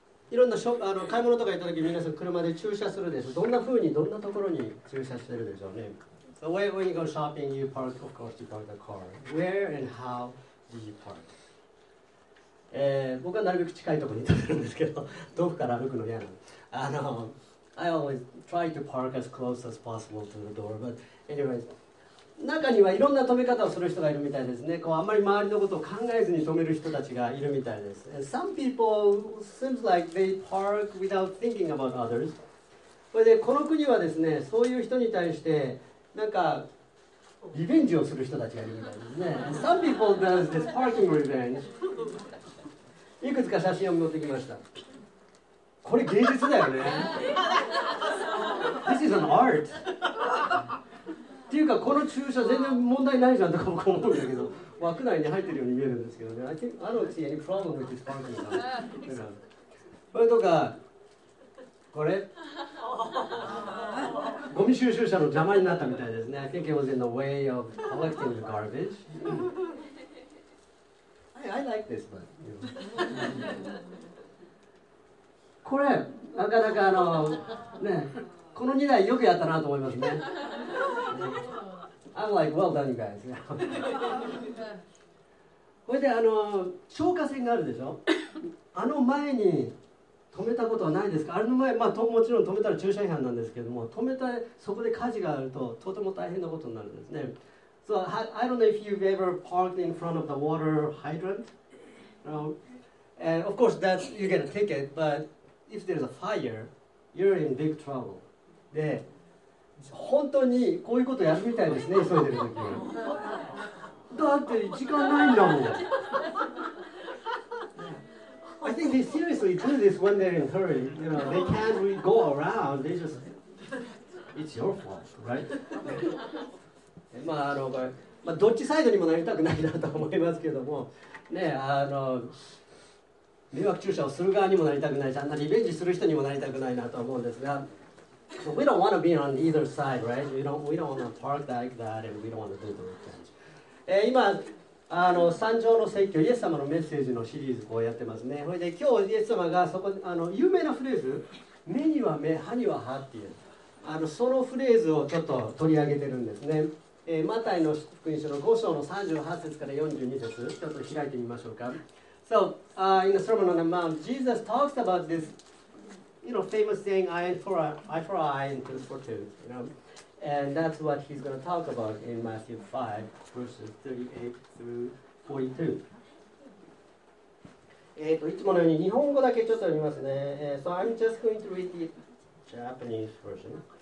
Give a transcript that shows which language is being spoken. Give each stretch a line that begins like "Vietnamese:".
Japanese: いろんなショ、あの買い物とか行った時、皆さん車で駐車するでしょ。どんな風に、どんなところに駐車してるでしょうね。
English: So when you go shopping, you park, of course, you park the car. Where and how do you park?
Japanese: 僕はなるべく近いところに止めるんですけど、遠くから歩くの嫌なの。
English: あの、I always try to park as close as possible to the door, but anyways,
Japanese: 中にはいろんな止め方をする人がいるみたいですね。こうあんまり周りのことを考えずに止める人たちがいるみたいです。
English: Some people seems like they park without thinking about others.
Japanese: それでこの国はですね、そういう人に対してなんかリベンジをする人たちがいるみたいですね。
English: Some people does this parking revenge.
Japanese: いくつか写真を持ってきました。これ芸術だよね。
English: This is an art.
Japanese: っていうかこの駐車全然問題ないじゃんとか僕思うんだけど、枠内に入ってるように見えるんですけどね。
English: I think I don't see any problem with this parking.
Japanese: これとか、これ。ゴミ収集車の邪魔になったみたいですね。
English: I think it was in the way of collecting the garbage. I like this one.
Japanese: これ、なかなかあの、ね、この2台よくやったなと思いますね。
English: I'm like, well done, you guys.
Japanese: これで、あの、消火栓があるでしょ。あの前に止めたことはないですか。あれの前、まあ、もちろん止めたら駐車違反なんですけども、止めた、そこで火事があるととても大変なことになるんですね。
English: So, I don't know if you've ever parked in front of the water hydrant. No. And of course, that's, you get a ticket, but if there's a fire, you're in big trouble.
Japanese: で、本当にこういうことやるみたいですね、急いでるとき。だって時間ないんだもん。
English: I think they seriously do this when they're in a hurry. You know, they can't really go around. They just, it's your fault, right?
Japanese: まああのこれ、まあどっちサイドにもなりたくないなと思いますけどもね、あの迷惑駐車をする側にもなりたくないし、あんなリベンジする人にもなりたくないなと思うんですが、
English: so、We don't want to be on either side, right? We don't want to park like that and we don't want to do the revenge.
Japanese: 今あの三条の説教、イエス様のメッセージのシリーズをやってますね。それで今日イエス様がそこあの有名なフレーズ、目には目、歯には歯っていう、あのそのフレーズをちょっと取り上げてるんですね。マタイの福音書の5章の38節から42節、ちょっと開いてみましょうか。
English: So, in the Sermon on the Mount, Jesus talks about this, you know, famous saying, eye for eye and tooth for tooth, you know. And that's what he's going to talk about in Matthew 5, verses 38 through 42.
Japanese: いつものように日本語だけちょっと読みますね。
English: So, I'm just going to read the Japanese version.